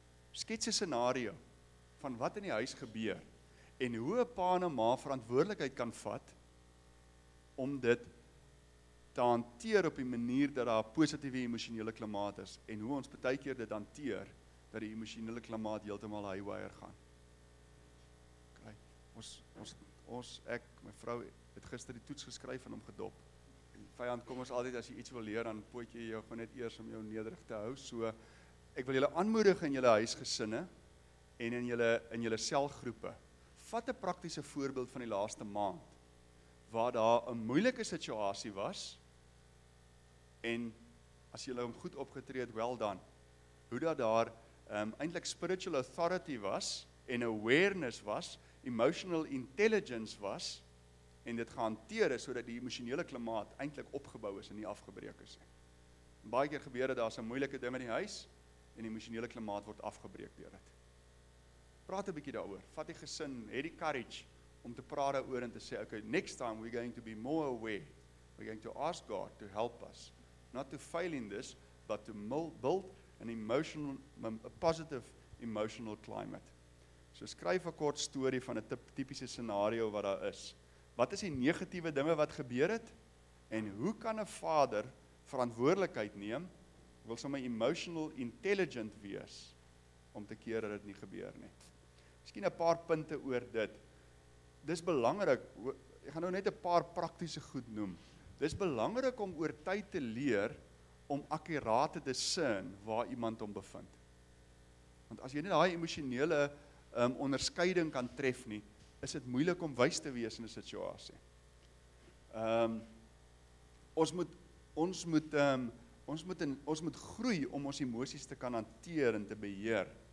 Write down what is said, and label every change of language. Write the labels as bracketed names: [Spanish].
[Afrikaans] Skets 'n scenario van wat in die huis gebeur en hoe 'n pa en 'n ma verantwoordelikheid kan vat om dit te hanteer op die manier dat daar 'n positiewe emosionele klimaat is, en hoe ons baie keer dit hanteer dat die emosionele klimaat heeltemal haywire gaan. Okay. Ek, my vrou het gister die toets geskryf en hom gedop. Vyand, kom ons altyd as jy iets wil leer, dan poot jy jou gewoon net eers om jou nederig te hou. So ek wil julle aanmoedig in julle huisgesinne en in julle selgroepe. Vat 'n praktiese voorbeeld van die laaste maand waar daar 'n moeilike situasie was, en as jy hom goed opgetree het, wel dan, hoe dat daar eintlik spiritual authority was en awareness was, emotional intelligence was, en dit gehanteer is sodat die emosionele klimaat eintlik opgebou is en nie afgebreek is nie. Baie keer gebeur dit, daar's 'n moeilike ding in die huis en die emosionele klimaat word afgebreek deur dit. Praat 'n bietjie daaroor. Vat die gesin, het die courage om te praat daaroor en te sê, okay, [English] next time we're going to be more aware. We're going to ask God to help us. Not to fail in this, but to build a positive emotional climate. [Afrikaans] So skryf 'n kort storie van 'n tipiese scenario wat daar is. Wat is die negatiewe dinge wat gebeur het? En hoe kan 'n vader verantwoordelikheid neem, wil sommer emotional intelligent wees, om te keer dat dit nie gebeur nie. Miskien 'n paar punte oor dit. Dis belangrik, ek gaan nou net 'n paar praktiese goed noem. Dis belangrik om oor tyd te leer om akkuraat te discern waar iemand hom bevind. Want as jy nie daai emosionele onderskeiding kan tref nie, is dit moeilik om wys te wees in 'n situasie. Ons moet groei om ons emosies te kan hanteer en te beheer.